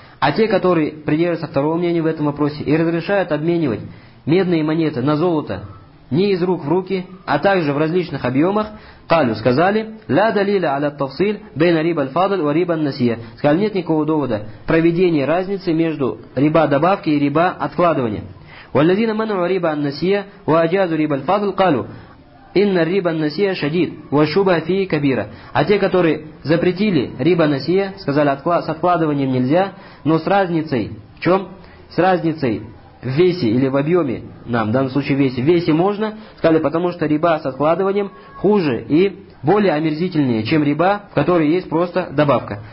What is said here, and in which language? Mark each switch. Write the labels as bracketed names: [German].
[Russian] А те, которые придерживаются второго мнения в этом вопросе и разрешают обменивать медные монеты на золото не из рук в руки, а также в различных объемах, «Калю» сказали, [Arabic] «Ля далиля аля-тавсиль бейна риба-ль-фадль ва риба-ль-насия». [Russian] Сказали, нет никакого довода проведения разницы между риба-добавки и риба-откладывания. [Arabic] والذين منعوا ربا النسية واجازوا ربا الفضل قالوا إن ربا النسية شديد والشبه فيه كبيرة. [Russian] А те, которые запретили риба насия, сказали, с откладыванием нельзя, но с разницей в чем? С разницей в весе или в объеме, нам в данном случае весе, в весе можно, сказали, потому что риба с откладыванием хуже и более омерзительнее, чем риба, в которой есть просто добавка.